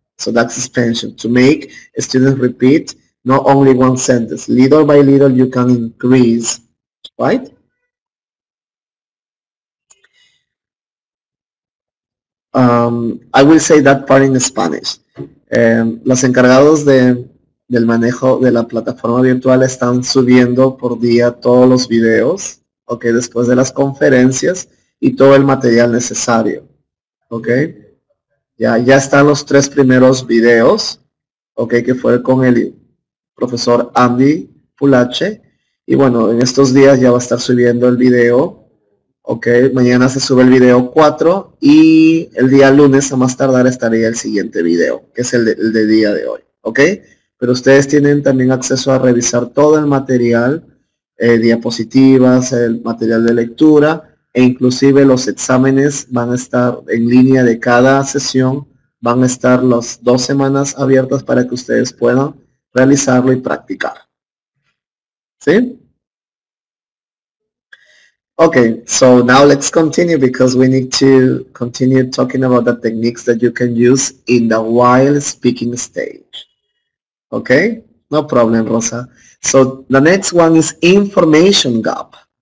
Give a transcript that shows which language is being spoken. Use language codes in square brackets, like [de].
[en] So that's expansion, to make a student repeat not only one sentence. Little by little, you can increase, right? I will say that part in Spanish. [es] Los encargados del manejo de la plataforma virtual están subiendo por día todos los videos, okay, después de las conferencias y todo el material necesario, okay. Ya están los tres primeros videos, okay, que fue con el profesor Andy Pulache, y bueno, en estos días ya va a estar subiendo el video. Ok, mañana se sube el video 4 y el día lunes a más tardar estaría el siguiente video, que es el de día de hoy. Ok, pero ustedes tienen también acceso a revisar todo el material, diapositivas, el material de lectura e inclusive los exámenes van a estar en línea de cada sesión, van a estar las 2 semanas abiertas para que ustedes puedan realizarlo y practicar. ¿Sí? [en] Okay, so now let's continue because we need to continue talking about the techniques that you can use in the while speaking stage. Okay, no problem, Rosa. So the next one is information gap.